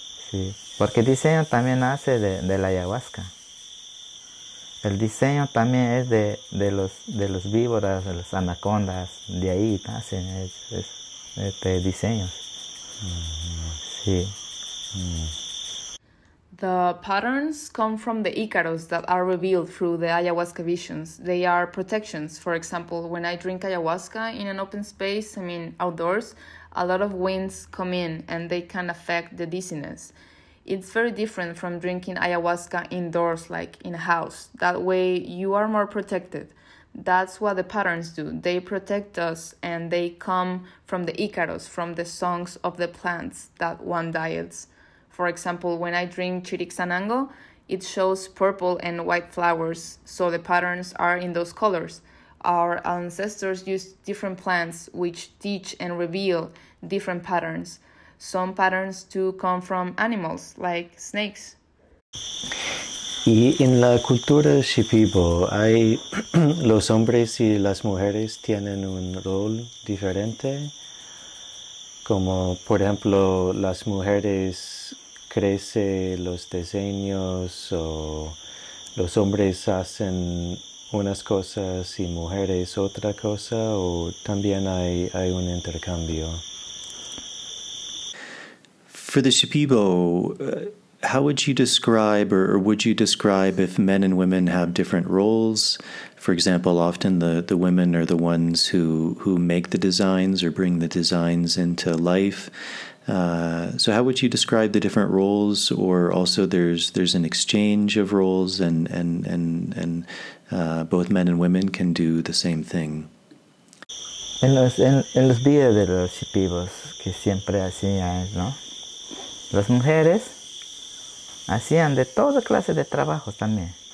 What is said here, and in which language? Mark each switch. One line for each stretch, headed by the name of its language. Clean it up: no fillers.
Spanish: Sí, porque el diseño también nace de la ayahuasca. El diseño también es de los víboras, de las anacondas, de ahí nacen diseños. Sí.
English: The patterns come from the Icaros that are revealed through the ayahuasca visions. They are protections. For example, when I drink ayahuasca in an open space, I mean outdoors, a lot of winds come in and they can affect the dizziness. It's very different from drinking ayahuasca indoors, like in a house. That way you are more protected. That's what the patterns do. They protect us and they come from the Icaros, from the songs of the plants that one diets. For example, when I drink chirixanango, it shows purple and white flowers, so the patterns are in those colors. Our ancestors used different plants which teach and reveal different patterns. Some patterns too come from animals, like snakes.
Spanish: Y en la cultura Shipibo, hay los hombres y las mujeres tienen un rol diferente, como por ejemplo las mujeres crece los diseños, o los hombres hacen unas cosas y mujeres otra cosa, o también hay un intercambio.
English: For the Shipibo, how would you describe, or would you describe, if men and women have different roles? For example, often the women are the ones who make the designs or bring the designs into life. So how would you describe the different roles? Or also there's an exchange of roles, and both men and women can do the same thing.
Spanish: En los días de los Shipibos, que siempre hacían, ¿no? Las mujeres hacían de toda clase de trabajos también.